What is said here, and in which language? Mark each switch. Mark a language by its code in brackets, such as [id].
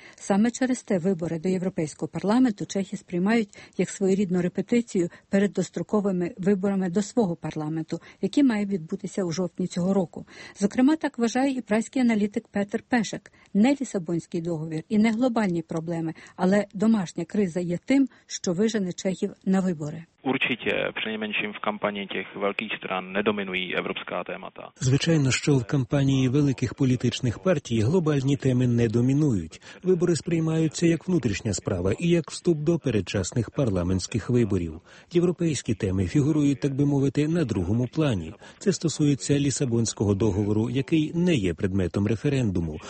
[uk] Саме через те вибори до Європейського парламенту чехи сприймають як своєрідну репетицію перед достроковими виборами до свого парламенту, які має відбутися у жовтні цього року. Зокрема, так вважає і празький аналітик Петер Пешек. Не Лісабонський договір і не глобальні проблеми, але домашня криза є тим, що вижене чехів на вибори. [cs] Určitě, přinejmenším v kampani těch velkých stran nedominují evropská témata. [uk] Звичайно, що в кампанії великих політичних партій глобальні теми не домінують. Вибори сприймаються як внутрішня справа і як вступ до передчасних парламентських виборів. Європейські теми фігурують, так би мовити, на другому плані. Це стосується Лісабонського договору, який не є предметом референдуму.